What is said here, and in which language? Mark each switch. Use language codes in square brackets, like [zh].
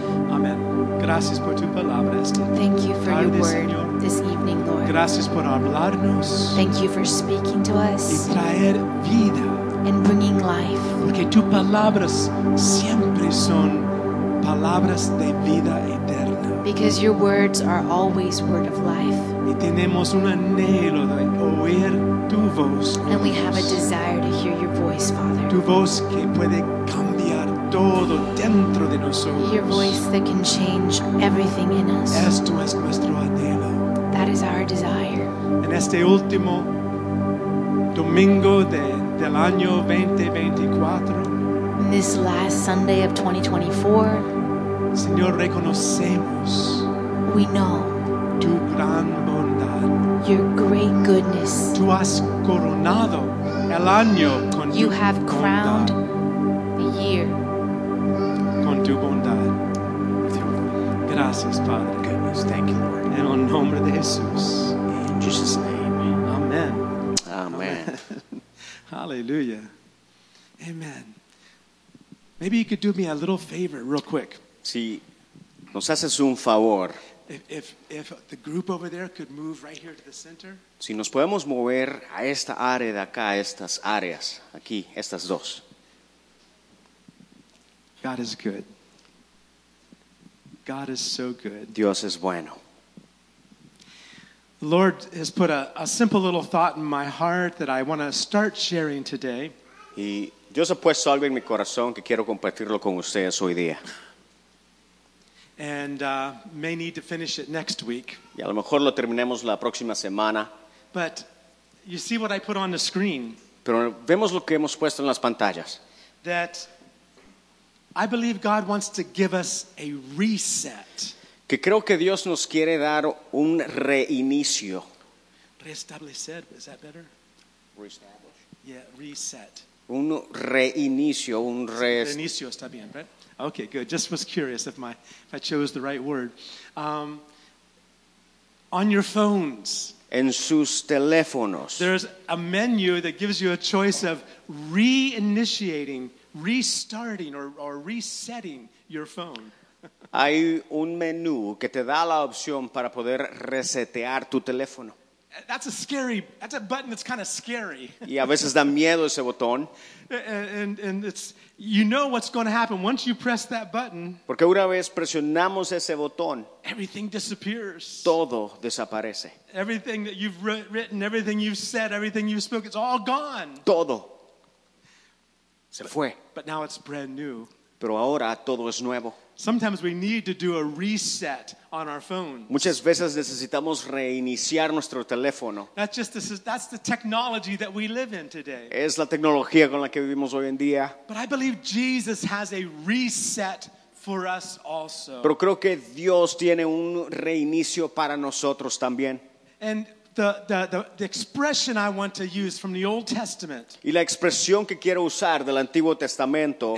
[es] Amen. Gracias por tu palabra. [en] Thank you for your word, Señor. This evening, Lord. [es] Gracias por hablarnos. [en] Thank you for speaking to us. [es] Y traer vida. [en] And bringing life. [es] Porque tus palabras siempre son palabras de vida eterna. [en] Because your words are always word of life. [es] Y tenemos un anhelo de oír tu voz. [en] And we have a desire to hear your voice, Father. [es] Tu voz que puede cambiar todo dentro de nosotros. [en] Your voice that can change everything in us. [es] Esto es nuestro anhelo. [en] That is our desire. [es] En este último domingo del año 2024, [en] this last Sunday of 2024, [es] Señor, reconocemos, [en] we know, [es] tu gran bondad, [en] your great goodness. [es] Tú has coronado el año con [en] you [es] tu [en] have [es] bondad. [en] Crowned the year [es] con tu bondad. [en] With your [es] bondad. Gracias, Padre. [en] Goodness, thank you, Lord. [es] En el nombre de Jesús. [en] In Jesus' name. Amen. Amen. Hallelujah. Amen. Maybe you could do me a little favor real quick. [es] Si nos haces un favor. [en] If the group over there could move right here to the center. [es] Si nos podemos mover a esta área de acá, estas áreas, aquí, estas dos. [en] God is good. God is so good. [es] Dios es bueno. [en] The Lord has put a simple little thought in my heart that I want to start sharing today. [es] Y Dios ha puesto algo en mi corazón que quiero compartirlo con ustedes hoy día. [en] And may need to finish it next week. [es] Y a lo mejor lo terminemos la próxima semana. [en] But you see what I put on the screen. [es] Pero vemos lo que hemos puesto en las pantallas. [en] That I believe God wants to give us a reset. [es] Que creo que Dios nos quiere dar un reinicio. [en] Restablecer, is that better? Reestablish. Yeah, reset. [es] Un reinicio, un reinicio está bien, [en] right? Okay, good. Just was curious if I chose the right word. On your phones. [es] En sus teléfonos. [en] There's a menu that gives you a choice of reinitiating, restarting, or resetting your phone. [es] Hay un menú que te da la opción para poder resetear tu teléfono. [en] That's a button that's kind of scary. [es] Y a veces da miedo ese botón. [en] And it's, you know what's going to happen once you press that button. [es] Porque una vez presionamos ese botón, [en] everything disappears. [es] Todo desaparece. [en] Everything that you've written, everything you've said, everything you've spoken, it's all gone. [es] Todo. Se fue. [en] But now it's brand new. [es] Pero ahora todo es nuevo. [en] Sometimes we need to do a reset on our phones. [es] Muchas veces necesitamos reiniciar nuestro teléfono. [en] That's the technology that we live in today. [es] Es la tecnología con la que vivimos hoy en día. [en] But I believe Jesus has a reset for us also. [es] Pero creo que Dios tiene un reinicio para nosotros también. [en] And the expression I want to use from the Old Testament. [es] Y la expresión que quiero usar del Antiguo Testamento.